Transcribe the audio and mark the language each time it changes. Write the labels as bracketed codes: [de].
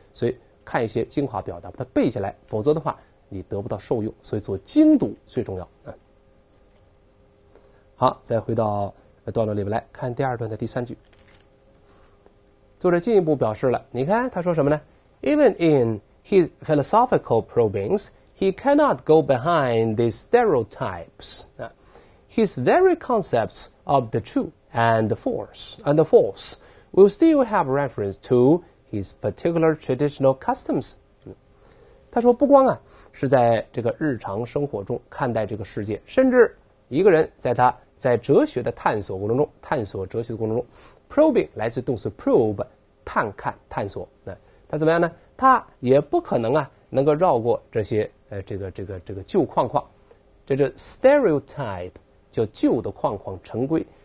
[zh] 所以看一些精华表达把它背下来，否则的话你得不到受用，所以做精读最重要啊。好，再回到段落里面来看第二段的第三句，作者进一步表示了，你看他说什么呢？ [en] Even in his philosophical probings he cannot go behind these stereotypes his very concepts of the true and the false will still have reference to his particular traditional customs。 [zh] 他说不光啊是在这个日常生活中看待这个世界，甚至一个人在他在哲学的探索过程中，探索哲学的过程中， probing 来自动词 probe 探看探索，他怎么样呢？他也不可能啊能够绕过这些旧框框，这是 stereotype， 就旧的框框陈规。